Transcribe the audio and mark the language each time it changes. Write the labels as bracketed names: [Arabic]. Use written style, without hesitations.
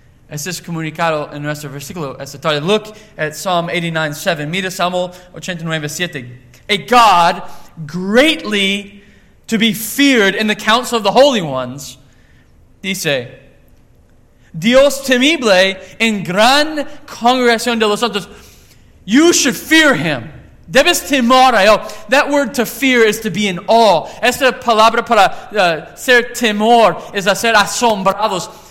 [Spanish] Es es comunicado en nuestro versículo esta tarde. [English] Look at Psalm 89:7. [Spanish] Mira Salmo 89:7. [English] A God greatly to be feared in the council of the holy ones. [Spanish] Dice, Dios temible en gran congregación de los santos. [English] You should fear him. [Spanish] Debes temor a él. [English] That word to fear is to be in awe. [Spanish] Esta palabra para ser temor es hacer asombrados.